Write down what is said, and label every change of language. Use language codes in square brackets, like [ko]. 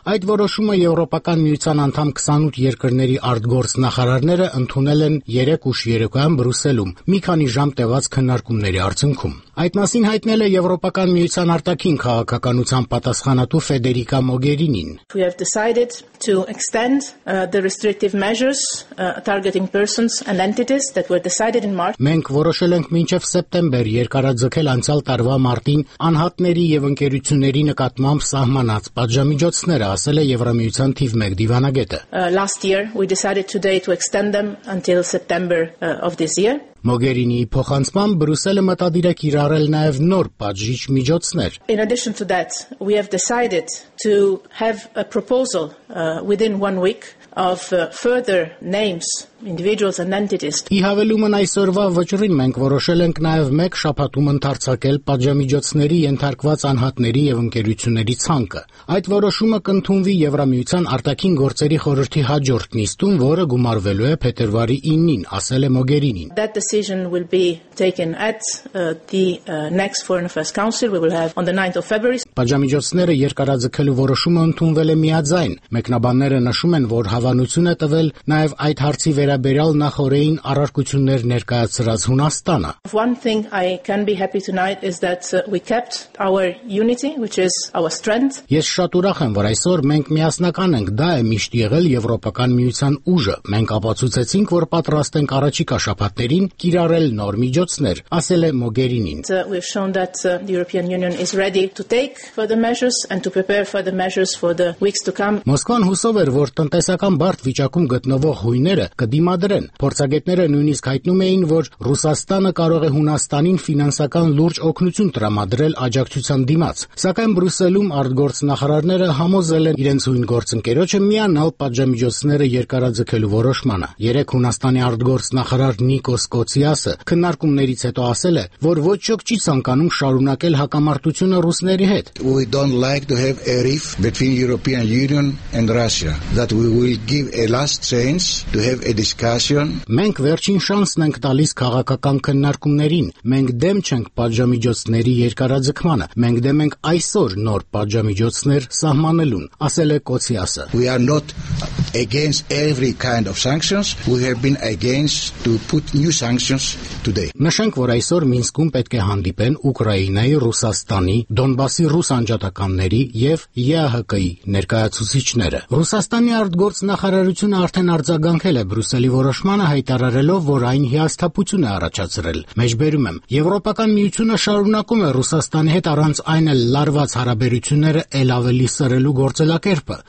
[hy] Այդ որոշումը Եվրոպական Միության անդամ 28 երկրների արտգործ նախարարները ընդունել են 3 ուշ երեկոյան Բրյուսելում մի քանի ժամ տևած քննարկումների արդյունքում։ Այդ մասին հայտնել է Եվրոպական Միության արտաքին քաղաքականության պատասխանատու Ֆեդերիկա Մոգերինին։ [en] We have decided to extend the restrictive measures targeting persons and entities that were decided in March. [hy] Մենք որոշել ենք մինչև սեպտեմբեր երկարաձգել անցյալ տարվա մարտին անհատների եւ ընկերությունների նկատմամբ սահմանած պատժամիջոցները, ասել է Եվրամիության թիվ 1 դիվանագետը։ [en] Last year we decided today to extend them until September of this year. [hy] Մոգերինի փոխանցմամբ Բրյուսելը մտադիր է կիրառել նաև նոր պատժիչ միջոցներ։ [en] In addition to that, we have decided to have a proposal within 1 week of further names, individuals and entities. [hy] Իհավելումն այսօրվա վճռին մենք որոշել ենք նաև մեկ շաբաթում ընդարձակել պատժամիջոցների ենթարկված անհատների եւ ընկերությունների ցանկը։ Այդ որոշումը կընդունվի Եվրամիության արտաքին գործերի խորհրդի հաջորդ նիստում, որը գումարվելու է փետրվարի 9-ին, ասել է Մոգերինին։ [en] That decision will be taken at the next Foreign Affairs Council we will have on the 9th of February. [hy] Պատժամիջոցները երկարաձգելու որոշումը ընդունվել է միաձայն։ Մեկնաբանները նշում են, որ հավանությունը տվել նաև այդ հարցի վերաբերյալ նախորդային առարկություններ ներկայացրած Հունաստանը։ [en] One thing I can be happy tonight is that we kept our unity, which is our strength. [hy] Ես շատ ուրախ եմ, որ այսօր մենք միասնական ենք, դա է միշտ եղել Եվրոպական միության ուժը։ Մենք ապացուցեցինք, որ պատրաստ ենք առաջիկա շապատներին կիրառել նոր միջոցներ, ասել է Մոգերինին։ [en] We've shown that the European Union is ready to take further measures and to prepare further measures for the weeks to come. [hy] Մոսկվան հուսով էր, որ տնտեսական բարդ վիճակում գտնվող հույները կդիմադրեն։ Փորձագետները նույնիսկ հայտնում էին, որ Ռուսաստանը կարող է Հունաստանին ֆինանսական լուրջ օգնություն տրամադրել աջակցության դիմաց։ Սակայն Բրյուսելում արտգործնախարարները համոզել են իրենց հույն գործընկերոջը միանալ պատժամիջոցները երկարաձգելու որոշմանը։ Երեկ Հունաստանի արտգործնախարար Նիկոս Կոցիասը քննարկումներից հետո ասել է, որ ոչ ոք չի ցանկանում շարունակել հակամարտությունը ռուսների հետ։ [en] We don't like to have a rift between European Union and Russia, that we will give a last chance to have a discussion. [hy] Մենք վերջին շանսն ենք տալիս քաղաքական քննարկումներին։ Մենք դեմ չենք պատժամիջոցների երկարաձգմանը։ Մենք դեմ ենք այսօր նոր պատժամիջոցներ սահմանելուն, ասել է Կոցիասը։ [en] We are not against every kind of sanctions. We have been against to put new sanctions today. [hy] Նշենք, որ այսօր Մինսկում պետք է հանդիպեն Ուկրաինայի, Ռուսաստանի, Դոնբասի ռուսանջատականների եւ ԵԱՀԿ-ի ներկայացուցիչները։ Ռուսաստանի արտգործնախարարությունը արդեն արձագանքել է Բրյուսելի որոշմանը, հայտարարելով, որ այն հիասթափություն է առաջացրել։ Մեջբերում եմ, Եվրոպական միությունը շարունակում է Ռուսաստանի հետ առանց այն լարված հարաբերությունները ել ավելի սրելու գործելակերպը։